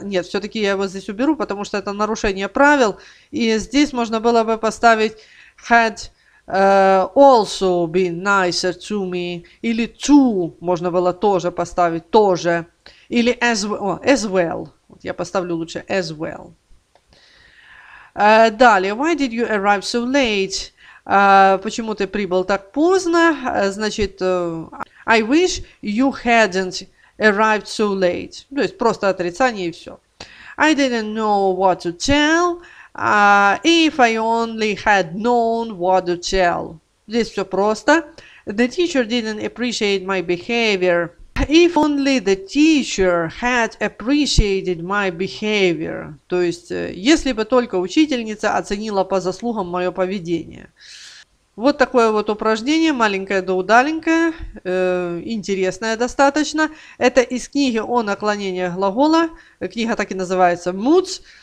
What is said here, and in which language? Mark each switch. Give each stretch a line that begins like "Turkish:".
Russian: Нет, все-таки я его здесь уберу, потому что это нарушение правил. И здесь можно было бы поставить
English: had also been nicer to me.
Russian: Или to можно было тоже поставить. Тоже. Или as well.
English: Oh, as well.
Russian: Вот я поставлю лучше
English: as well.
Russian: Далее.
English: Why did you arrive so late?
Russian: Почему ты прибыл так поздно? Значит,
English: I wish you hadn't arrived so late.
Russian: То есть просто отрицание и все.
English: I didn't know what to tell. If I only had known what to tell.
Russian: Здесь все просто.
English: The teacher didn't appreciate my behavior. If only the teacher had appreciated my behavior.
Russian: То есть, если бы только учительница оценила по заслугам мое поведение. Вот такое вот упражнение, маленькое да удаленькое, интересное достаточно. Это из книги о наклонении глагола. Книга так и называется «Moods».